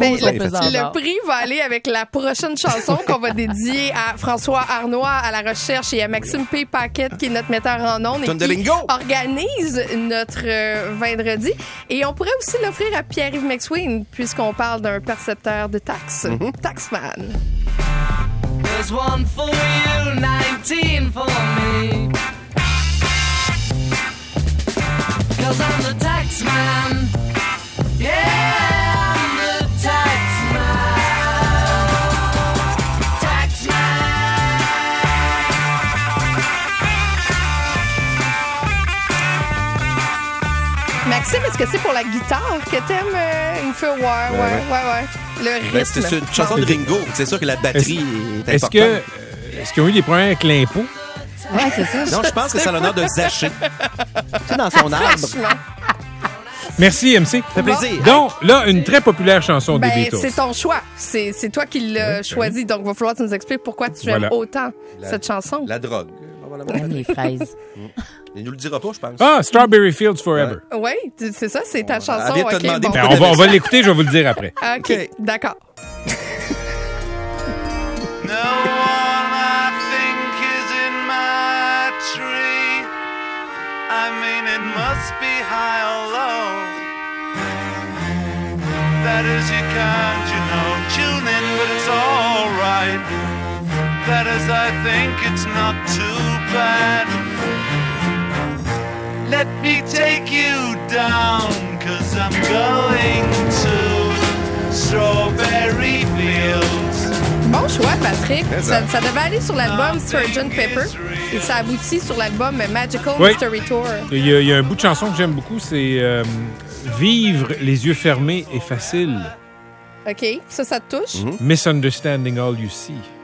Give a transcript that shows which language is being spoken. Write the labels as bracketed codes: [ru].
[fr] Le prix va aller avec la prochaine chanson qu'on va dédier à François Arnois à la recherche et à Maxime P. Paquette, qui est notre metteur en onde et qui organise notre vendredi. Et on pourrait aussi l'offrir à Pierre-Yves McSween, puisqu'on parle d'un percepteur de taxes. Mm-hmm. Taxman. [en] There's one for you, 19 for me. Cause I'm the tax man. Yeah, I'm the tax man. Tax man. [fr] Maxime, Est-ce que c'est pour la guitare que t'aimes une fois? Ouais. Le rythme. C'est une chanson de Ringo. C'est sûr que la batterie est importante. Est-ce qu'ils ont eu des problèmes avec l'impôt? Ouais, c'est ça. Non, je pense que c'est à l'honneur de Zaché. Tout dans son arbre. Merci, MC. Ça fait plaisir. Donc, là, une très populaire chanson des Beatles. C'est ton choix. C'est toi qui l'as choisi. Donc, il va falloir que tu nous expliques pourquoi tu aimes autant cette chanson. La drogue. Les fraises. Il nous le dira pas, je pense. Ah, Strawberry Fields Forever. Oui, c'est ça, c'est ta chanson. Okay, bon. On va l'écouter, je vais vous le dire après. OK, d'accord. [en] No one I think is in my tree. I mean, it must be high or low. That is, you can't, you know, tune in, but it's all right. That is, I think it's not too bad. Let me take you down, 'cause I'm going to Strawberry Fields. [fr] Bon choix, Patrick. Ça devait aller sur l'album Sgt. Pepper. Et ça aboutit sur l'album Magical Mystery Tour. Il y a un bout de chanson que j'aime beaucoup, c'est Vivre les yeux fermés est facile. OK, ça te touche? [en] Mm-hmm. Misunderstanding all you see.